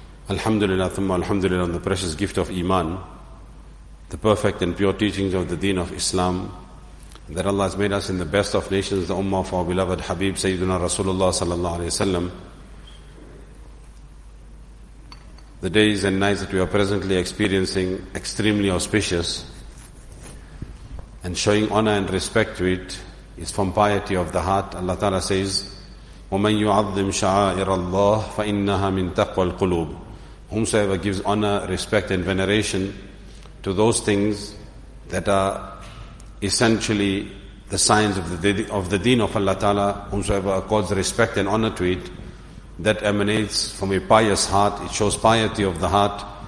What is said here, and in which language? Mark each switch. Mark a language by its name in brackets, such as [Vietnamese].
[Arabic] الحمد لله ثم الحمد لله [English] on the precious gift of Iman, the perfect and pure teachings of the deen of Islam, that Allah has made us in the best of nations, the Ummah of our beloved Habib Sayyidina Rasulullah sallallahu alayhi wa sallam. The days and nights that we are presently experiencing, extremely auspicious, and showing honor and respect to it is from piety of the heart. Allah Ta'ala says, [Arabic] وَمَنْ يُعَظِّمْ شَعَائِرَ اللَّهِ فَإِنَّهَا مِنْ تَقْوَى الْقُلُوبِ. [English] Whomsoever gives honor, respect and veneration to those things that are essentially the signs of the deen of Allah Ta'ala, whomsoever accords respect and honor to it, that emanates from a pious heart, it shows piety of the heart.